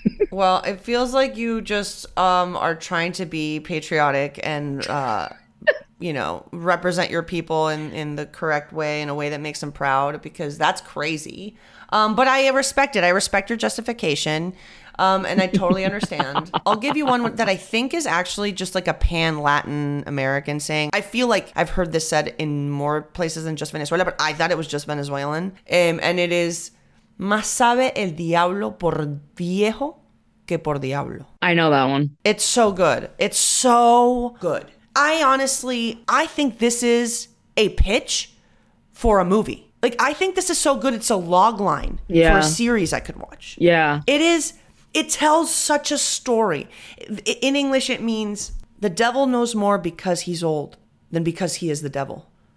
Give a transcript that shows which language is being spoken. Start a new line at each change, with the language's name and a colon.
English: Well, it feels like you just are trying to be patriotic and, you know, represent your people in the correct way, in a way that makes them proud, because that's crazy. But I respect it. I respect your justification. And I totally understand. I'll give you one that I think is actually just like a pan Latin American saying. I feel like I've heard this said in more places than just Venezuela, but I thought it was just Venezuelan. And it is,
Spanish: más sabe el diablo por viejo. Que por diablo.
English: I know that one. It's so good. It's so good. I think this is a pitch for a movie. Like, I think this is so good. It's a log line for a series I could watch. Yeah. It is. It tells such a story. In English, it means the devil knows more because he's old than because he is the devil.